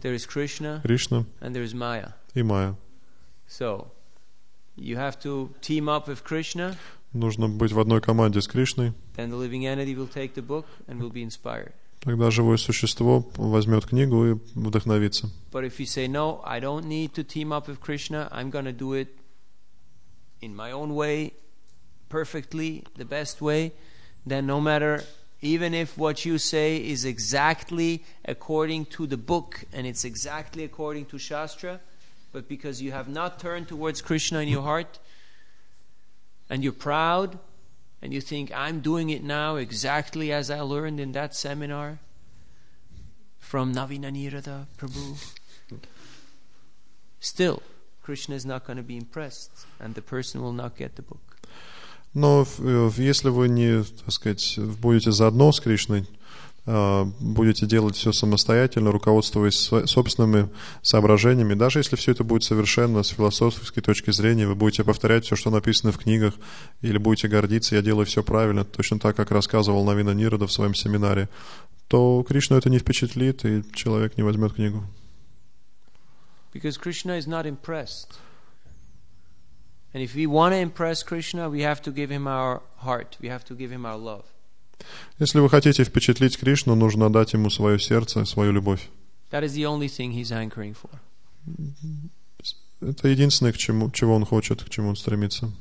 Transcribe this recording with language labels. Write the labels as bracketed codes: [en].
[en] There is Krishna. [ru] Кришна. [en] And there is Maya. [ru] И Майя. [en] So. You have to team up with Krishna. [ru] Нужно быть в одной команде с Кришной. [en] Then the living entity will take the book and will be inspired. [ru] Тогда живое существо возьмет книгу и вдохновится. [en] But if you say no, I don't need to team up with Krishna. I'm going to do it in my own way, perfectly, the best way. Then no matter, even if what you say is exactly according to the book and it's exactly according to Shastra. But because you have not turned towards Krishna in your heart, and you're proud, and you think, I'm doing it now exactly as I learned in that seminar from Navina Nirada Prabhu, still, Krishna is not going to be impressed, and the person will not get the book. [ru] Но если вы не, так сказать, будете заодно с Кришной, будете делать все самостоятельно, руководствуясь собственными соображениями. Даже если все это будет совершенно с философской точки зрения, вы будете повторять все, что написано в книгах, или будете гордиться, я делаю все правильно, точно так, как рассказывал Навина Нирада в своем семинаре, то Кришну это не впечатлит, и человек не возьмет книгу. [en] Because Krishna is not impressed. And if we want to impress Krishna, we have to give him our heart, we have to give him our love. [ru] Если вы хотите впечатлить Кришну, нужно дать ему свое сердце, свою любовь. [en] That is the only thing he's hankering for. [ru] Это единственное, к чему, чего он хочет, к чему он стремится.